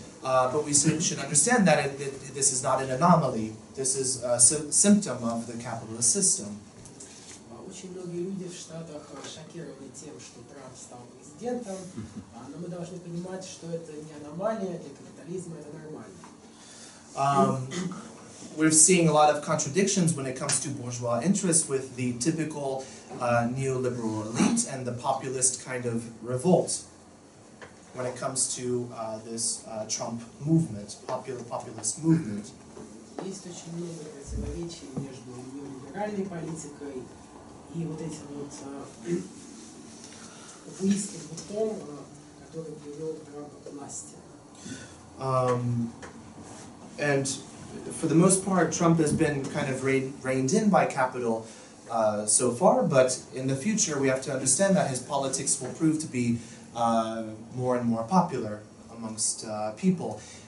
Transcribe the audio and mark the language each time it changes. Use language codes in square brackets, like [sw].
[en] But we should understand that this is not an anomaly. This is a symptom of the capitalist system. [ru] Очень многие люди в Штатах шокированы тем, что Трамп стал президентом, но мы должны понимать, что это не аномалия, для капитализма это нормально. [en] We're seeing a lot of contradictions when it comes to bourgeois interests with the typical neoliberal elite and the populist kind of revolt. When it comes to this Trump movement, populist movement. [ru] Есть очень много противоречий между неолиберальной политикой и вот этим вот популистским бухтом, который привел Трампа к власти. [en] And for the most part, Trump has been kind of reined in by capital so far, but in the future, we have to understand that his politics will prove to be more and more popular amongst people.